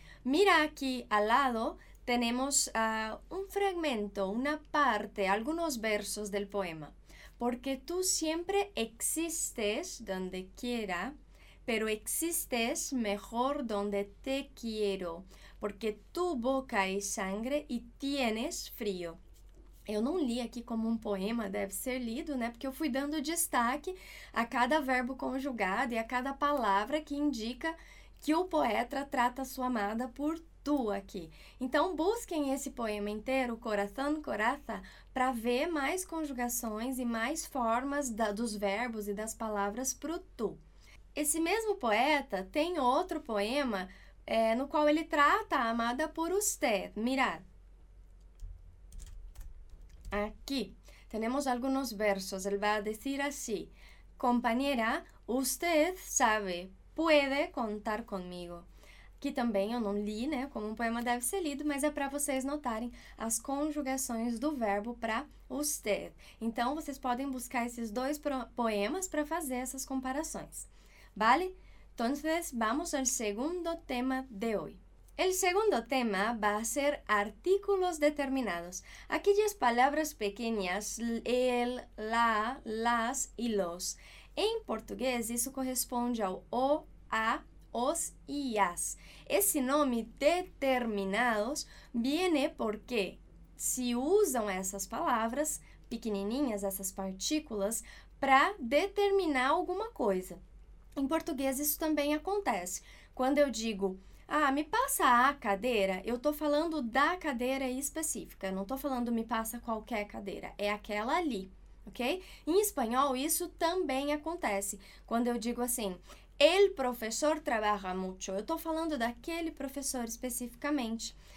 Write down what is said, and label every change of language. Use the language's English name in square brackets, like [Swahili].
[Spanish] Mira aquí al lado, tenemos un fragmento, una parte, algunos versos del poema. Porque tú siempre existes donde quiera, pero existes mejor donde te quiero, porque tu boca es sangre y tienes frío. [Portuguese] Eu não li aqui como um poema, deve ser lido, né? Porque eu fui dando destaque a cada verbo conjugado e a cada palavra que indica que o poeta trata a sua amada por tu aqui. Então, busquem esse poema inteiro, Corazón Coraza, para ver mais conjugações e mais formas dos verbos e das palavras pro tu. Esse mesmo poeta tem outro poema no qual ele trata a amada por usted. [Spanish] Mirad. Aquí tenemos algunos versos. Él va a decir así: Compañera, usted sabe, puede contar conmigo. [Portuguese] Aqui também eu não li, né? Como um poema deve ser lido, mas é para vocês notarem as conjugações do verbo para usted. Então, vocês podem buscar esses dois poemas para fazer essas comparações. [Spanish] Vale? Entonces, vamos al segundo tema de hoy. El segundo tema va a ser artículos determinados, aquellas palabras pequeñas, el, la, las y los. En portugués, eso corresponde al o, a, os y as. Ese nombre, determinados, viene porque se usan esas palabras, pequeñinas, esas partículas, para determinar alguna cosa. En portugués, eso también acontece. Cuando yo digo, [Portuguese] ah, me passa a cadeira. Eu estou falando da cadeira específica. Não estou falando me passa qualquer cadeira. É aquela ali, ok? Em espanhol, isso também acontece. Quando eu digo assim, El professor trabalha muito. Eu estou falando daquele professor especificamente.